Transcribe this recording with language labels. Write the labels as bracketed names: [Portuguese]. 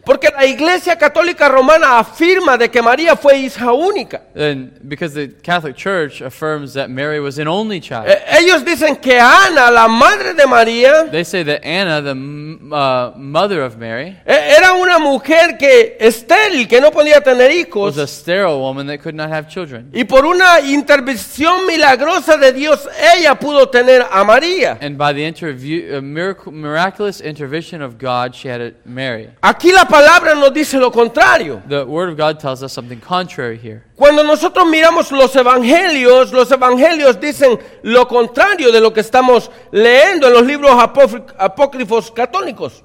[Spanish] porque la Iglesia Católica Romana afirma de que María fue hija única. [English] And because the Catholic Church affirms that Mary was an only child. [Spanish] Ellos dicen que Ana, la madre de María, [English] they say that Anna, the mother of Mary, [Spanish] era una mujer que estéril, que no podía tener hijos. [English] Was a sterile woman that could not have children. [Spanish] Y por una intervención milagrosa de Dios, ella pudo tener a María. [English] And by the miraculous intervention of God, she had Mary. [Spanish] Aquí la palabra nos dice lo contrario. [English] The word of God tells us something contrary here. [Spanish] Cuando nosotros miramos los evangelios dicen lo contrario de lo que estamos leyendo en los libros apócrifos católicos.